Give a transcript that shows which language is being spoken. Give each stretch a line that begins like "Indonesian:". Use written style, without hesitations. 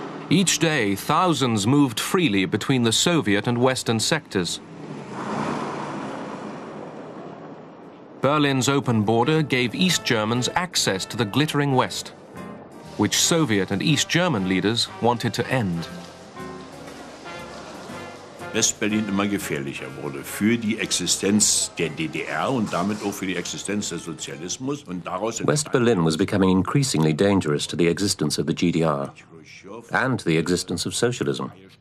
English: Each day, thousands moved freely between the Soviet and Western sectors. Berlin's open border gave East Germans access to the glittering West, which Soviet and East German leaders wanted to end.
German: West-Berlin immer gefährlicher wurde für die Existenz der DDR und damit auch für die Existenz des Sozialismus und daraus
English: West-Berlin was becoming increasingly dangerous to the existence of the GDR and the existence of socialism.